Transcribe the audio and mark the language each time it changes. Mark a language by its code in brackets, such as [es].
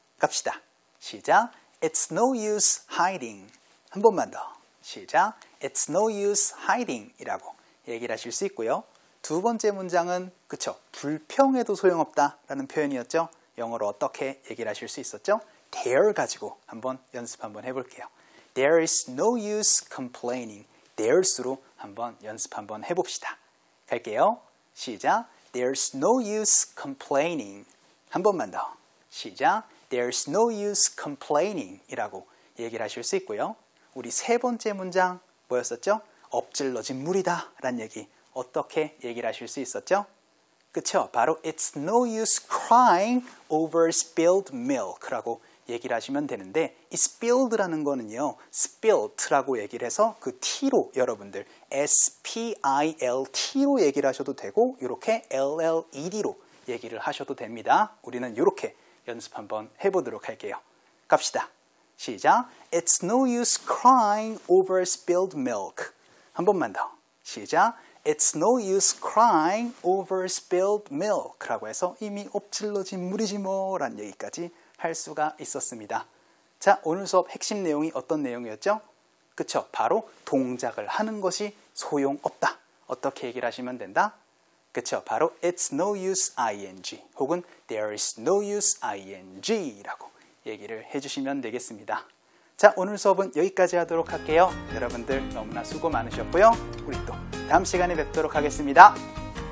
[ko] 갑시다. 시작! [en] It's no use hiding. [ko] 한 번만 더. 시작! [en] It's no use hiding [ko] 이라고 얘기를 하실 수 있고요. 두 번째 문장은 그쵸? 불평해도 소용없다 라는 표현이었죠? 영어로 어떻게 얘기를 하실 수 있었죠? There 가지고 한번 연습 한번 해볼게요. [en] There is no use complaining. [ko] There's로 한번 연습 한번 해봅시다. 갈게요. 시작! [en] There's no use complaining. [ko] 한 번만 더. 시작! [en] There's no use complaining [ko] 이라고 얘기를 하실 수 있고요. 우리 세 번째 문장 뭐였었죠? 엎질러진 물이다 라는 얘기. 어떻게 얘기를 하실 수 있었죠? 그쵸? 바로 [en] It's no use crying over spilled milk [ko] 라고 얘기를 하시면 되는데 이 spilled라는 거는요 spilt라고 얘기를 해서 그 T로 여러분들 S-P-I-L-T로 얘기를 하셔도 되고 이렇게 L-L-E-D로 얘기를 하셔도 됩니다. 우리는 이렇게 연습 한번 해보도록 할게요. 갑시다. 시작! [en] It's no use crying over spilled milk. [ko] 한 번만 더. 시작! [en] It's no use crying over spilled milk [ko] 라고 해서 이미 엎질러진 물이지 뭐 라는 얘기까지 할 수가 있었습니다. 자, 오늘 수업 핵심 내용이 어떤 내용이었죠? 그쵸, 바로 동작을 하는 것이 소용없다. 어떻게 얘기를 하시면 된다? 그쵸, 바로 [en] It's no use ing [ko] 혹은 [en] There is no use ing [ko] 라고 얘기를 해주시면 되겠습니다. 자, 오늘 수업은 여기까지 하도록 할게요. 여러분들 너무나 수고 많으셨고요. 우리 또 다음 시간에 뵙도록 하겠습니다.